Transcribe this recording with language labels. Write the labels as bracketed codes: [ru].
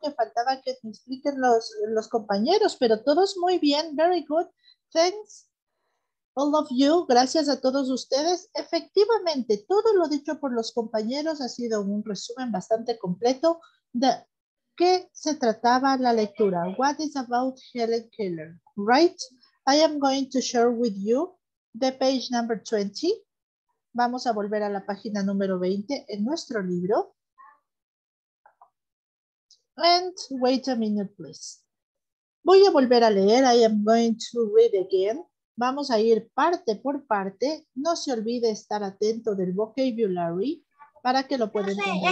[es] Que faltaba que te expliquen los compañeros, pero todos muy bien. [en] Very good. Thanks. All of you, [es] gracias a todos ustedes. Efectivamente, todo lo dicho por los compañeros ha sido un resumen bastante completo de qué se trataba la lectura. [en] What is about Helen Keller, right? I am going to share with you the page number 20. [es] Vamos a volver a la página número 20 en nuestro libro. [en] And wait a minute, please. [es] Voy a volver a leer. [en] I am going to read again. [es] Vamos a ir parte por parte. No se olvide estar atento del vocabulary para que lo puedan entender.